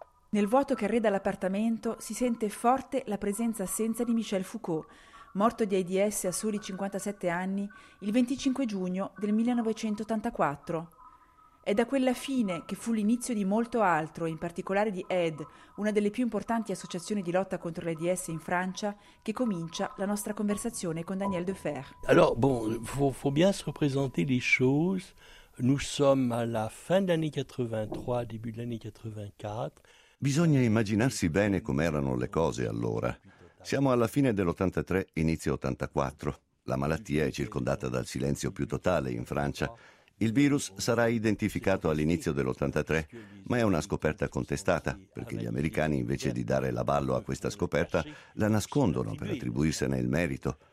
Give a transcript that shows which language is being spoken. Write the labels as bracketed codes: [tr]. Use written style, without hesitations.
[it] Nel vuoto che arreda l'appartamento si sente forte la presenza assenza di Michel Foucault, morto di AIDS a soli 57 anni, il 25 giugno del 1984. È da quella fine che fu l'inizio di molto altro, in particolare di AID, una delle più importanti associazioni di lotta contro l'AIDS in Francia, che comincia la nostra conversazione con Daniel Defferre. [fr] Alors, bon, faut bien se présenter les choses. Nous sommes à la fin d'année 83, début de l'année 84. [it] Bisogna immaginarsi bene com'erano le cose allora. Siamo alla fine dell'83, inizio 84. La malattia è circondata dal silenzio più totale in Francia. Il virus sarà identificato all'inizio dell'83, ma è una scoperta contestata, perché gli americani, invece di dare l'avallo a questa scoperta, la nascondono per attribuirsene il merito.